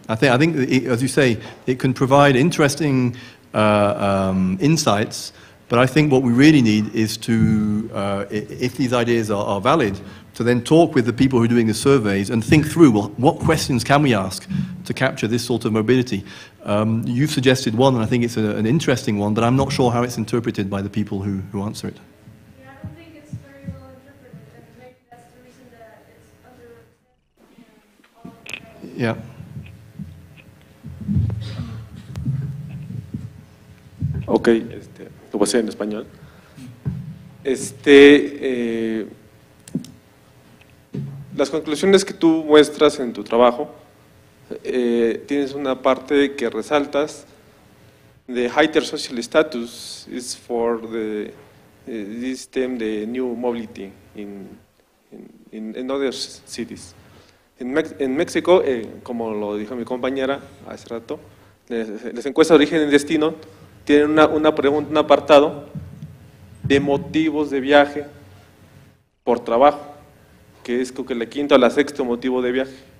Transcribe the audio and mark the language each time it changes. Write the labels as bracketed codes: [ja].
[en] I think it, as you say, it can provide interesting insights, but I think what we really need is to, if these ideas are valid, to then talk with the people who are doing the surveys and think through, well, what questions can we ask to capture this sort of mobility? You've suggested one, and I think it's an interesting one, but I'm not sure how it's interpreted by the people who answer it. Yeah, I don't think it's very well interpreted. Maybe that's the reason that it's [es] Yeah. Okay, lo voy a decir en español. Las conclusiones que tú muestras en tu trabajo, tienes una parte que resaltas. [en] The higher social status is for the system, the new mobility in other cities. [es] En México, como lo dijo mi compañera hace rato, las encuestas de origen y destino tienen un apartado de motivos de viaje por trabajo, que es creo que el quinto o el sexto motivo de viaje.